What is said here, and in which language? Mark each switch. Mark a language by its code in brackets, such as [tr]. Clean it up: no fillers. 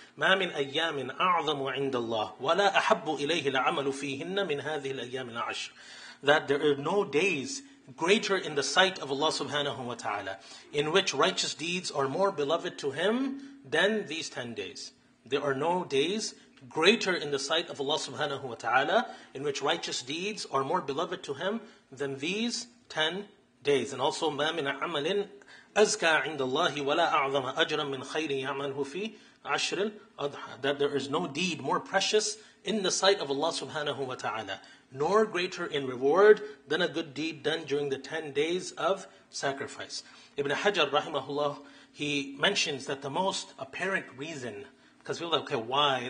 [ar] مَا مِنْ أَيَّامٍ أَعْظَمُ عِنْدَ اللَّهِ وَلَا أَحَبُّ إِلَيْهِ الْعَمَلُ فِيهِنَّ مِنْ هَذِهِ الْأَيَّامِ الْعَشْرِ, [en] that there are no days greater in the sight of Allah subhanahu wa ta'ala in which righteous deeds are more beloved to him than these 10 days. There are no days greater in the sight of Allah subhanahu wa ta'ala, in which righteous deeds are more beloved to him than these 10 days. And also, [ar] مَا مِنْ عَمَلٍ أَزْكَى عِنْدَ اللَّهِ وَلَا أَعْظَمَ أَجْرًا مِنْ خَيْرٍ يَعْمَلْهُ فِي عَشْرِ الْأَضْحَى. [en] That there is no deed more precious in the sight of Allah subhanahu wa ta'ala, nor greater in reward than a good deed done during the 10 days of sacrifice. Ibn Hajar rahimahullah, he mentions that the most apparent reason, because people are like, okay, why?